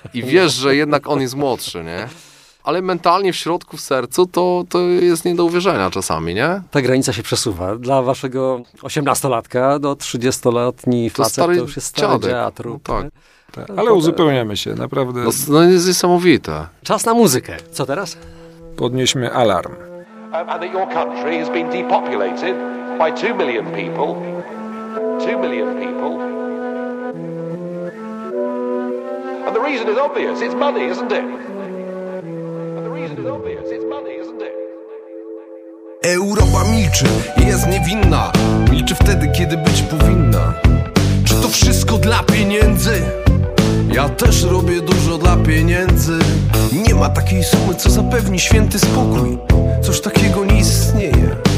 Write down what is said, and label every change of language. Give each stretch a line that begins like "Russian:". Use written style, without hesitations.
Polish: I wiesz, że jednak on jest młodszy, nie? Ale mentalnie w środku, w sercu to jest nie do uwierzenia czasami, nie? Ta granica się przesuwa. Dla waszego 18-latka do 30-letni facet to już jest stary dziad, rób, no tak. Ale uzupełniamy się, naprawdę. No jest niesamowite. Czas na muzykę. Co teraz? Podnieśmy alarm.
English: And that your country has been depopulated by 2 million people. 2 million people. And the reason is obvious, it's money, isn't it? And the reason is obvious, it's money, isn't it?
Polish: Europa milczy i jest niewinna. Milczy wtedy, kiedy być powinna. Czy to wszystko dla pieniędzy? Ja też robię dużo dla pieniędzy. Nie ma takiej sumy, co zapewni święty spokój. Coś takiego nie istnieje.